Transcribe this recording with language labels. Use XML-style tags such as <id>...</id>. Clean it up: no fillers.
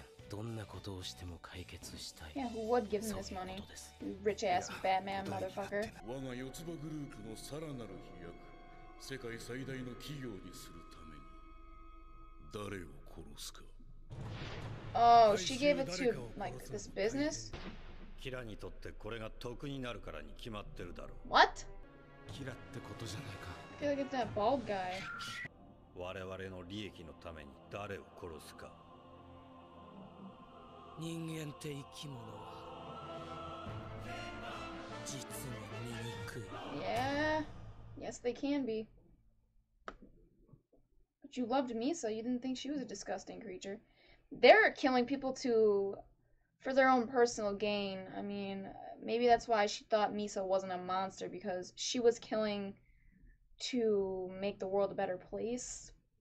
<ja>どんなことをしても解決したい。</ja> <en>Yeah, who would give him this money? Rich ass Batman motherfucker.</en> <ja>我が四つ葉グループのさらなる飛躍、世界最大の企業にするために誰を殺すか。</ja> <en>Oh, she gave it to, like, this business?</en> <ja>キラにとってこれが得になるからに決まってるだろう。</ja> <en>What?</en> <ja>キラってことじゃないか。</ja> <en>I feel like it's that bald guy.</en> <ja>我々の利益のために誰を殺すか。人間って生き物は実に醜い。</ja> <en>Yeah, yes they can be. But you loved Misa, you didn't think she was a disgusting creature. They're killing people to for their own personal gain. I mean, maybe that's why she thought Misa wasn't a monster, because she was killing to make the world a better place.</en>